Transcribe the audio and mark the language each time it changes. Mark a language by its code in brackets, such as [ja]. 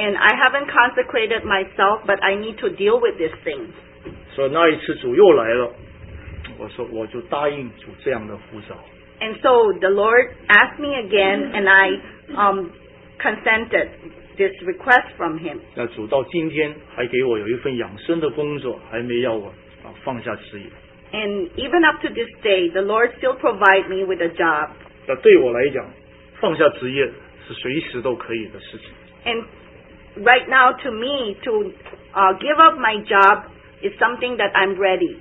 [en] And I haven't consecrated myself, but I need to deal with this thing. [zh] 所以那一次主又来了，我说我就答应主这样的呼召。 [en] And so the Lord asked me again, and I consented this request from Him. [zh] 那主到今天还给我有一份养生的工作，还没要我放下事业。 [en] And even up to this day, the Lord still provide me with a job. [zh] 那对我来讲，放下职业是随时都可以的事情。And [en] right now, to me, to give up my job is something that I'm ready.